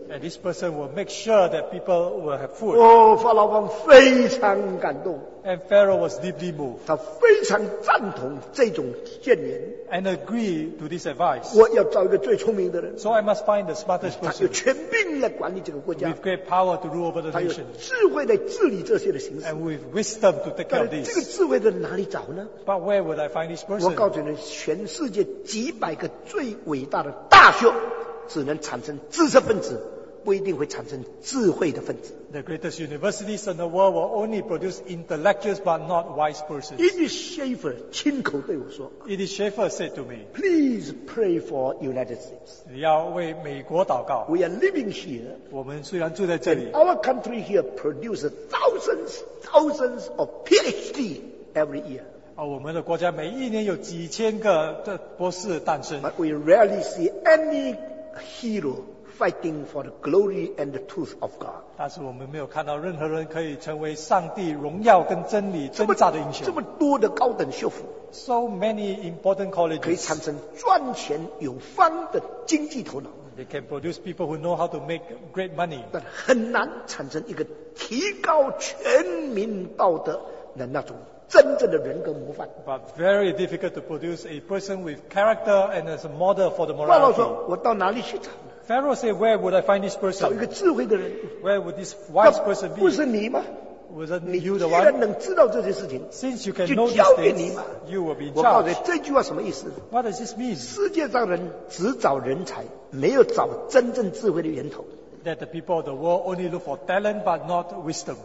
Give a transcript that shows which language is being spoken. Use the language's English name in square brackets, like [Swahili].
[English] And this person will make sure that people will have food. [Chinese] 哦，法老王非常感动。 [English] And Pharaoh was deeply moved. [Chinese] 他非常赞同这种建言。 [English] And agree to this advice. [Chinese] 我要找一个最聪明的人。 [English] So I must find the smartest person. [Chinese] 他有权柄来管理这个国家。 [English] With great power to rule over the nation. [Chinese] 他有智慧来治理这些的形势。 [English] And with wisdom to take care of this. [Chinese] 这个智慧在哪里找呢？ [English] But where would I find this person? [Chinese] 我告诉你，全世界几百个最伟大的大学，只能产生知识分子。不一定会产生智慧的分子。 [English] The greatest universities in the world will only produce intellectuals but not wise persons. It is [Chinese] Schaeffer 亲口对我说。 [English] It is Schaeffer said to me. Please pray for United States. [Chinese] 你要为美国祷告。 [English] We are living here. [Chinese] 我们虽然住在这里。 [English] Our country here produces thousands of PhD every year. [Chinese] 我们的国家每一年有几千个博士诞生。 [English] But we rarely see any hero. Fighting for the glory and the truth of God. [Chinese] 但是我们没有看到任何人可以成为上帝荣耀跟真理挣扎的英雄。这么多的高等学府。 [English] So many important colleges. [Chinese] 可以产生赚钱有方的经济头脑。 [English] They can produce people who know how to make great money. [Chinese] 但很难产生一个提高全民道德的那种真正的人格模范。 [English] But very difficult to produce a person with character and as a model for the morality. [Chinese] 法老说，我到哪里去找？ [English] Pharaoh said, where would I find this person? [Chinese] 找一个智慧的人。 [English] Where would this wise person be? [Chinese] 不是你吗？你既然能知道这些事情， [English] since you can [Chinese] 就交给你嘛。 [English] you will be in charge. [Chinese] 我告诉你这句话什么意思？ [English] What does this mean? [Chinese] 世界上人只找人才， 没有找真正智慧的源头。 [English] That the people of the world only look for talent but not wisdom.